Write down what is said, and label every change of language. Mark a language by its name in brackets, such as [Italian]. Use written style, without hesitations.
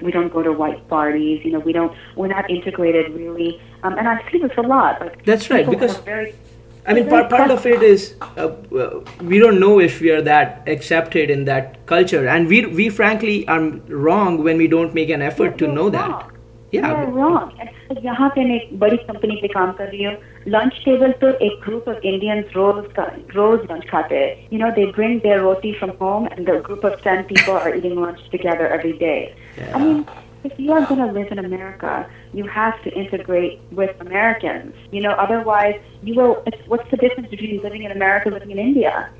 [English] We don't go to white parties. We're not integrated really. And I see this a lot. Like, that's right, because part of it is we don't know if we are that accepted in that culture, and we frankly are wrong when we don't make an effort to know that. Wrong. And [Hindi] यहाँ पे एक बड़ी company पे काम कर रही हूँ. [English] Lunch table [Hindi] पे एक [English] group of Indians rose lunch खाते. They bring their roti from home, and the group of 10 people are eating lunch together every day. Yeah. I mean, if you are going to live in America, you have to integrate with Americans. Otherwise, what's the difference between living in America and living in India?